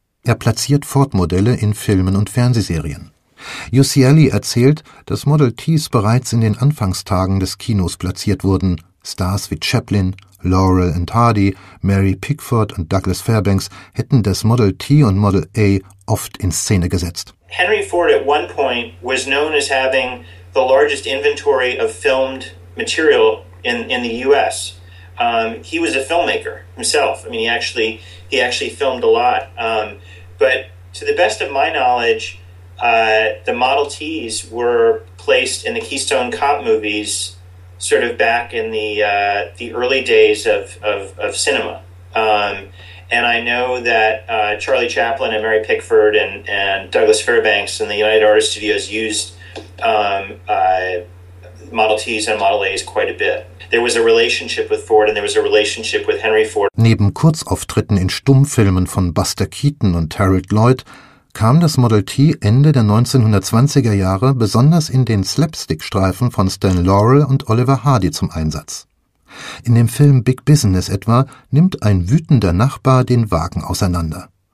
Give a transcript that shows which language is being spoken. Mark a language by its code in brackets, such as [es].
[de] Er platziert Ford-Modelle in Filmen und Fernsehserien. Uccelli erzählt, dass Model Ts bereits in den Anfangstagen des Kinos platziert wurden. Stars wie Chaplin, Laurel und Hardy, Mary Pickford und Douglas Fairbanks hätten das Model T und Model A oft in Szene gesetzt. [en] Henry Ford at one point was known as having the largest inventory of filmed material in the U.S. He was a filmmaker himself. I mean, he actually filmed a lot. But to the best of my knowledge, the Model Ts were placed in the Keystone Cop movies sort of back in the early days of cinema. And I know that Charlie Chaplin and Mary Pickford and Douglas Fairbanks and the United Artists Studios used Model Ts and Model As quite a bit. There was a relationship with Ford and there was a relationship with Henry Ford. [de] Neben Kurzauftritten in Stummfilmen von Buster Keaton und Harold Lloyd kam das Model T Ende der 1920er Jahre besonders in den Slapstick-Streifen von Stan Laurel und Oliver Hardy zum Einsatz. In dem Film Big Business etwa nimmt ein wütender Nachbar den Wagen auseinander.